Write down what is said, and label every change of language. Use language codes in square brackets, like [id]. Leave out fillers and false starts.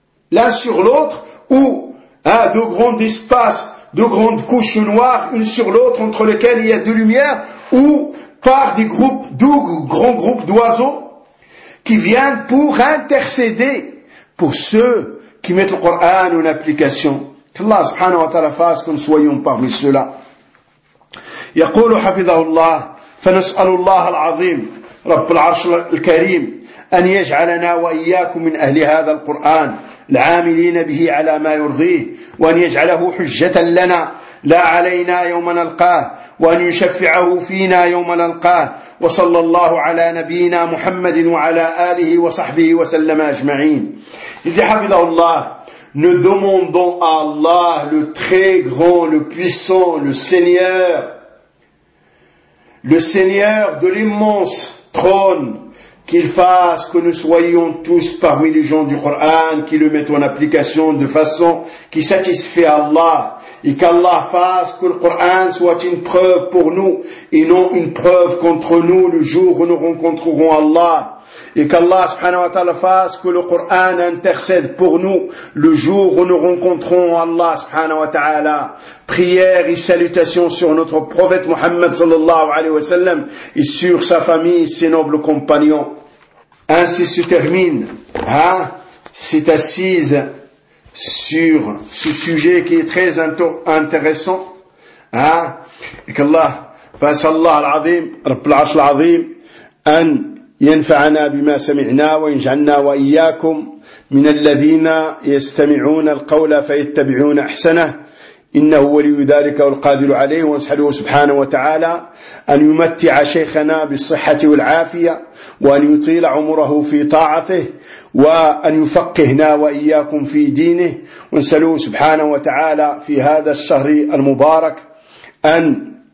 [fr] l'un sur l'autre, ou hein, de grands espaces, de grandes couches noires, une sur l'autre, entre lesquelles il y a de lumière, ou par des groupes, de grands groupes d'oiseaux, qui viennent pour intercéder pour ceux qui mettent le Coran en application. Qu'Allah subhanahu wa ta'ala fasse que nous soyons parmi ceux-là. [ar] يقول حفظه الله فنسأل الله العظيم رب العرش الكريم أن يجعلنا وإياكم من أهل هذا القرآن العاملين به على ما يرضيه وأن يجعله حجة لنا لا علينا يوم نلقاه وأن يشفعه فينا يوم نلقاه وصلى الله على نبينا محمد وعلى آله وصحبه وسلم أجمعين. إذا حفظه الله [fr] nous demandons à Allah le très grand, le puissant, le Seigneur de l'immense trône, qu'il fasse que nous soyons tous parmi les gens du Coran, qui le mettent en application de façon qui satisfait Allah, et qu'Allah fasse que le Coran soit une preuve pour nous, et non une preuve contre nous le jour où nous rencontrerons Allah. Et qu'Allah subhanahu wa ta'ala fasse que le Coran intercède pour nous le jour où nous rencontrons Allah subhanahu wa ta'ala. Prière et salutations sur notre prophète Muhammad sallallahu alayhi wa sallam et sur sa famille, ses nobles compagnons. Ainsi se termine, hein, cette assise sur ce sujet qui est très intéressant, hein. Et qu'Allah fasse [ar] Allah al-Azim, Rabbul Arsh al-Azim, an ينفعنا بما سمعنا ويجعلنا وإياكم من الذين يستمعون القول فيتبعون أحسنه إنه ولي ذلك والقادر عليه ونسأله سبحانه وتعالى أن يمتع شيخنا بالصحة والعافية وأن يطيل عمره في طاعته وأن يفقهنا وإياكم في دينه ونسأله سبحانه وتعالى في هذا الشهر المبارك أن